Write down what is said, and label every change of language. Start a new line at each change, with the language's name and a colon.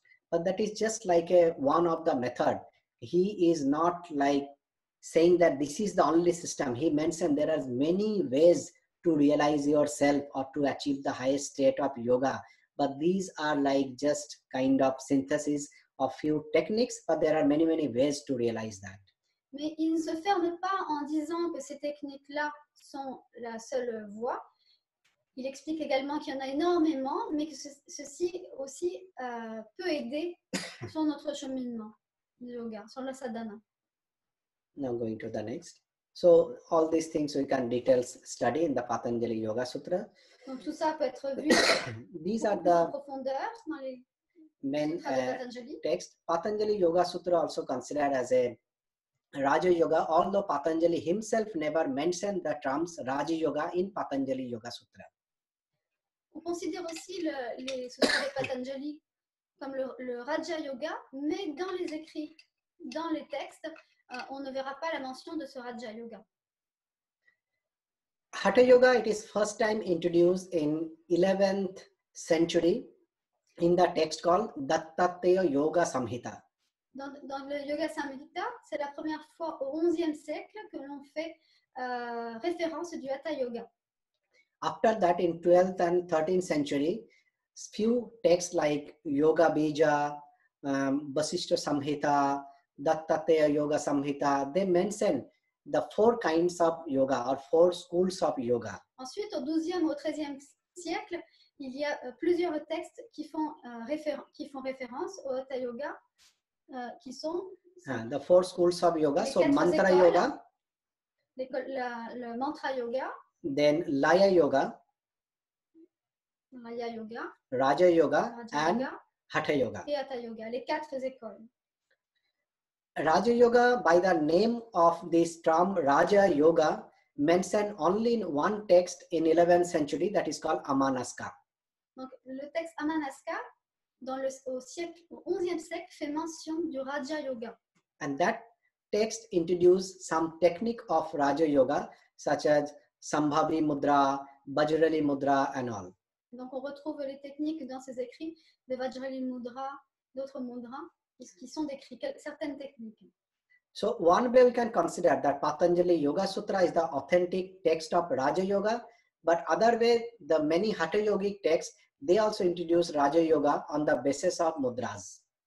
English: But that is just like one of the methods. He is not like saying that this is the only system. He mentioned there are many ways to realize yourself or to achieve the highest state of yoga. But these are like just kind of synthesis of few techniques, but there are many, many ways to realize that.
French: Mais il ne se ferme pas en disant que ces techniques-là sont la seule voie. Il explique également qu'il y en a énormément, mais que ceci aussi peut aider sur notre cheminement du yoga, sur la sadhana.
English: Now going to the next. So all these things we can details study in the Patanjali Yoga Sutra.
French: Donc tout ça peut être vu.
English: These are the
French: profondeurs dans les main
English: text. Patanjali Yoga Sutra also considered as a Raja Yoga, although Patanjali himself never mentioned the terms Raja Yoga in Patanjali Yoga Sutra.
French: On considère aussi les sutras de Patanjali comme le Raja Yoga, mais dans les écrits, dans les textes, on ne verra pas la mention de ce Raja Yoga.
English: Hatha Yoga, it is first time introduced in 11th century in the text called Dattatreya Yoga Samhita.
French: Dans le Yoga Samhita, c'est la première fois au 11e siècle que l'on fait référence du Hatha Yoga.
English: After that, in 12th and 13th century, few texts like Yoga Bija, Vasishtha Samhita, Dattatreya Yoga Samhita, they mention the four kinds of yoga or four schools of yoga.
French: Ensuite, au 12e au 13e siècle, il y a plusieurs textes qui font référence au Hatha Yoga, qui sont
English: the four schools of yoga. So Mantra Yoga,
French: le Mantra Yoga,
English: then Laya Yoga,
French: Laya Yoga,
English: Raja Yoga, and Hatha Yoga.
French: Et Hatha Yoga, les quatre écoles.
English: Raja Yoga, by the name of this term Raja Yoga, mentioned only in one text in 11th century, that is called Amanaska.
French: Donc, le texte Amanaska, au 11e siècle, fait mention du Raja Yoga.
English: And that text introduced some technique of Raja Yoga, such as Sambhavi Mudra, Vajrali Mudra, and all.
French: Donc, on retrouve les techniques dans ses écrits de Vajrali Mudra, d'autres mudras, qui sont décrits, certaines techniques.
English: So one way we can consider that Patanjali Yoga Sutra is the authentic text of Raja Yoga, but other way, the many Hatha Yogic texts, they also introduce Raja Yoga on the basis of mudras.